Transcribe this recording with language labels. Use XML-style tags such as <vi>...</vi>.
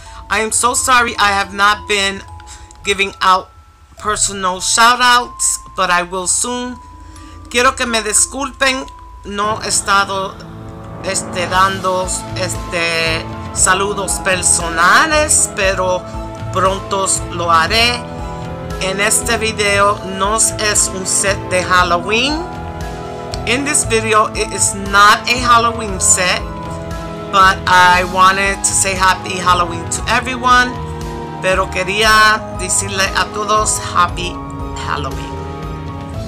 <en>I am so sorry I have not been giving out personal shoutouts, but I will soon.</en> <es>Quiero que me disculpen, no he estado dando saludos personales, pero pronto lo haré. En este video no es un set de Halloween.</es> <en>In this video, it is not a Halloween set, but I wanted to say happy Halloween to everyone.</en> <es>Pero quería decirle a todos</es> <en>happy Halloween.</en>